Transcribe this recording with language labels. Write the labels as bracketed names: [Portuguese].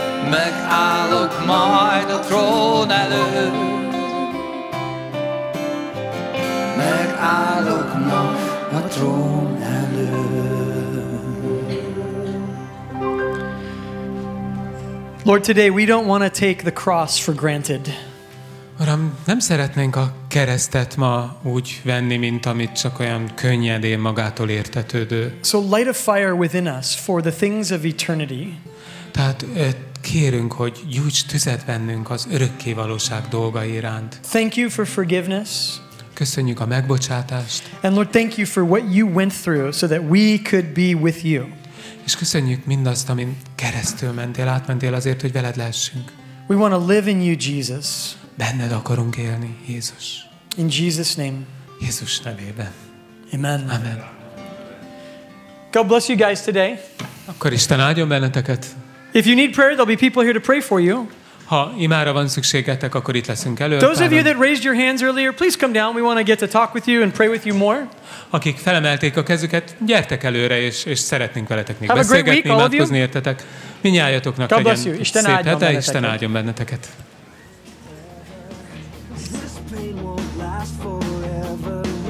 [Hungarian] Megállok majd a trón előtt. Megállok majd a trón előtt. [English] Lord, today we don't want to take the cross for granted. [Hungarian] Uram, nem szeretnénk a keresztet ma úgy venni, mint amit csak olyan könnyedén magától értetődő. [English] So light a fire within us for the things of eternity. [Hungarian] Tehát kérünk, hogy gyújts tüzet bennünk az örökké valóság dolgai iránt. [English] Thank you for forgiveness. [Hungarian] Köszönjük a megbocsátást. [English] And Lord, thank you for what you went through so that we could be with you. [Hungarian] És köszönjük mindazt, amin keresztül mentél, átmentél azért, hogy veled lehessünk. [English] We want to live in you, Jesus. [Hungarian] Benned akarunk élni, Jézus. [English] In Jesus' name. [Hungarian] Jézus nevében. [English] Amen. [Hungarian] Amen. [English] God bless you guys today. [Hungarian] Akkor Isten áldjon benneteket. [English] If you need prayer, there'll be people here to pray for you. [Hungarian] Ha imára van szükségetek, akkor itt leszünk előtt. [English] Those of you that raised your hands earlier, please come down. We want to get to talk with you and pray with you more. [Hungarian] Akik felemelték a kezüket, gyertek előre, és szeretnénk veletek még beszélgetni, imádkozni értetek. Mindnyájatoknak legyen szép hete, Isten áldjon benneteket. [English] Won't last forever.